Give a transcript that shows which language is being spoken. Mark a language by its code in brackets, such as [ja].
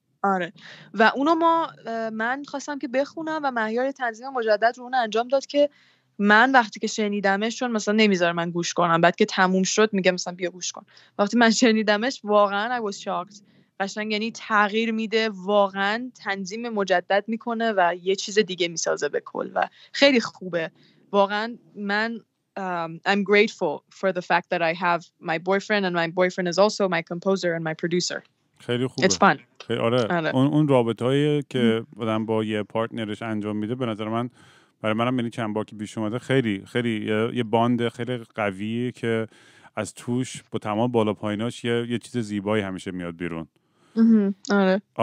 [fa] آره و اونو ما من خواستم که بخونم و مهیار تنظیم مجدد رو اون انجام داد که من وقتی که شنیدمش، چون مثلا نمیذاره من گوش کنم، بعد که تموم شد میگه مثلا بیا گوش کن، وقتی من شنیدمش واقعا [en] I was shocked. [fa] قشنگ یعنی تغییر میده، واقعا تنظیم مجدد میکنه و یه چیز دیگه میسازه به کل و خیلی خوبه. واقعا من [en] I'm grateful for the fact that I have my boyfriend and my boyfriend is also my composer and my producer. [fa] خیلی خوبه. [en] It's fun. [fa] خیلی آره. اون رابطه‌ای که آدم با یه پارتنرش انجام میده به نظر من، برای منم یعنی چند بار که پیش اومده، خیلی خیلی یه باند خیلی قویه که از توش با تمام بالا پایناش یه چیز زیبایی همیشه میاد بیرون. آره.